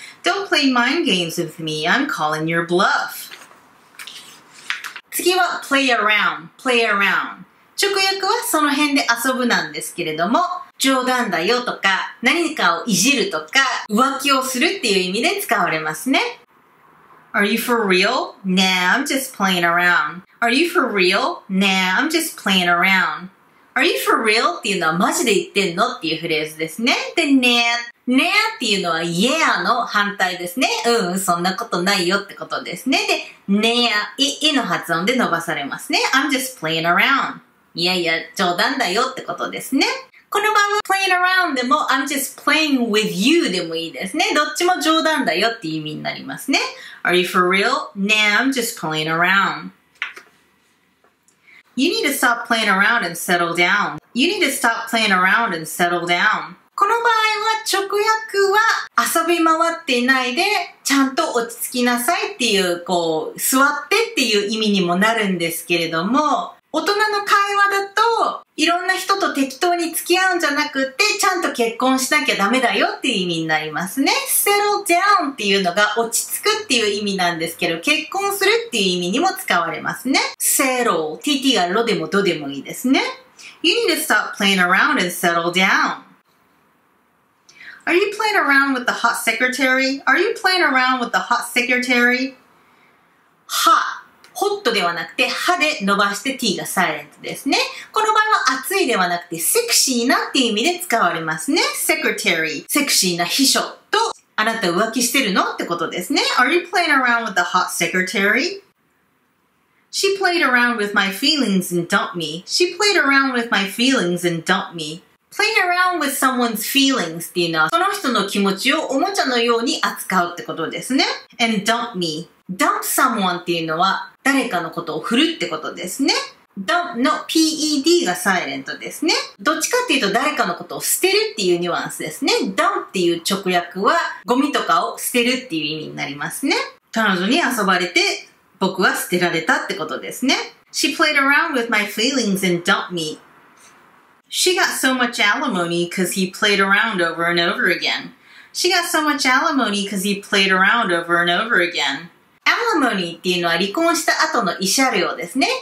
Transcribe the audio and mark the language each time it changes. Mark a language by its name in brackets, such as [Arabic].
[English] Don't play mind games with me, I'm calling your bluff. [Japanese] 次は play around, play around. 直訳はその辺で遊ぶなんですけれども、冗談だよとか、何かをいじるとか、浮気をするっていう意味で使われますね。 [English] Are you for real? Nah, I'm just playing around. Are you for real? Nah, I'm just playing around. Are you for real? [Japanese] っていうのはマジで言ってんのっていうフレーズですね。で、nah っていうのは yeah の反対ですね。うん、そんなことないよってことですね。で、nah、いの発音で伸ばされますね。 [English] I'm just playing around。 [Japanese] いやいや、冗談だよってことですね。この場合は playing around でも I'm just playing with you でもいいですね。どっちも冗談だよっていう意味になりますね。 [English] Are you for real? Nah, I'm just playing around. You need to stop playing around and settle down. You need to stop playing around and settle down. [Japanese] この場合は直訳は遊び回っていないでちゃんと落ち着きなさいっていうこう座ってっていう意味にもなるんですけれども、大人の会話だと、いろんな人と適当に付き合うんじゃなくて、ちゃんと結婚しなきゃダメだよっていう意味になりますね。 settle down っていうのが落ち着くっていう意味なんですけど、結婚するっていう意味にも使われますね。 settle, tt がロでもドでもいいですね。 [English] You need to stop playing around and settle down. Are you playing around with the hot secretary? Are you playing around with the hot secretary? Hot. [Japanese] ホットではなくて、歯で伸ばして T がサイレントですね。この場合は熱いではなくて、セクシーなっていう意味で使われますね。 [English] Secretary、 [Japanese] セクシーな秘書と、あなた浮気してるのってことですね。 [English] Are you playing around with the hot secretary? She played around with my feelings and dumped me. She played around with my feelings and dumped me. [Japanese] Playing around with someone's feelings っていうのは、その人の気持ちをおもちゃのように扱うってことですね。 [English] And dumped me. [Japanese] Dump someone っていうのは誰かのことを振るってことですね。 Dump の PED がサイレントですね。どっちかっていうと誰かのことを捨てるっていうニュアンスですね。Dump っていう直訳はゴミとかを捨てるっていう意味になりますね。彼女に遊ばれて僕は捨てられたってことですね。 [English] She played around with my feelings and dumped me. She got so much alimony because he played around over and over again. She got so much alimony because he played around over and over again. [Japanese] Alimony っていうのは離婚した後の慰謝料ですね。